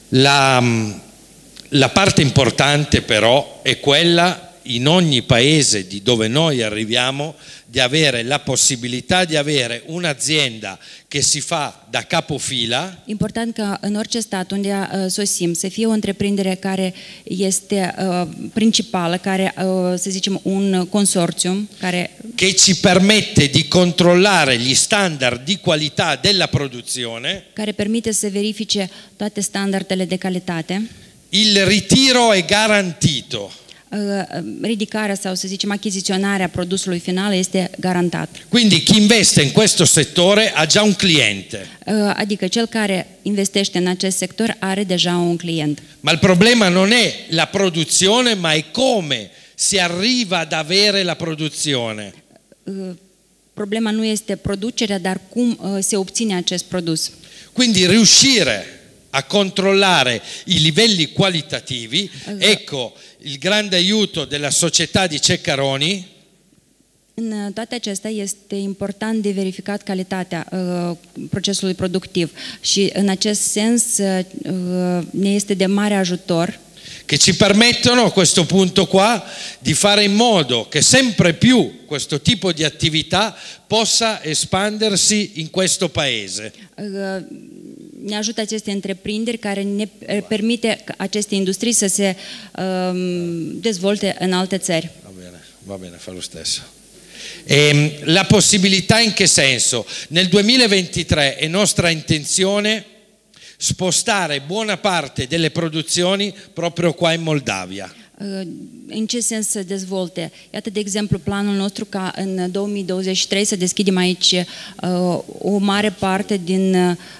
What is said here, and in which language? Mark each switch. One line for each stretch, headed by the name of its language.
Italian: La parte importante però è quella in ogni paese di dove noi arriviamo di avere la possibilità di avere un'azienda che si fa da capofila.
Romanian: Important ca în orice stat unde sosim să fie o întreprindere care este principală, care să zicem un consorțium care
Italian: che ci permette di controllare gli standard di qualità della produzione.
Romanian: Care permite să verifice toate standardele de calitate.
Italian: Il ritiro è garantito.
Romanian: Ridicarea sau să zicem achiziționarea produsului final este garantat.
Italian: Quindi chi investe in questo settore ha già un cliente.
Romanian: Adică cel care investește în acest sector are deja un client.
Italian: Ma il problema non è la produzione, ma è come si arriva ad avere la produzione.
Romanian: Problema nu este producerea, dar cum se obține acest produs.
Italian: Quindi riuscire a controllare i livelli qualitativi, ecco il grande aiuto della società di Ceccaroni.
Romanian: În toate acestea este important de verificat calitatea procesului productiv și în acest sens ne este de mare ajutor.
Italian: Che ci permettono a questo punto qua di fare in modo che sempre più questo tipo di attività possa espandersi in questo paese.
Romanian: Ne ajută aceste întreprinderi care ne permite aceste industrie să se dezvolte în alte țări.
Italian: Va bene, fa lo stesso. La possibilità in che senso? Nel 2023 è nostra intenzione spostare buona parte delle produzioni proprio qua in Moldavia.
Romanian: În ce sens se dezvolte? Iată, de exemplu, planul nostru ca în 2023 să deschidem aici o mare parte din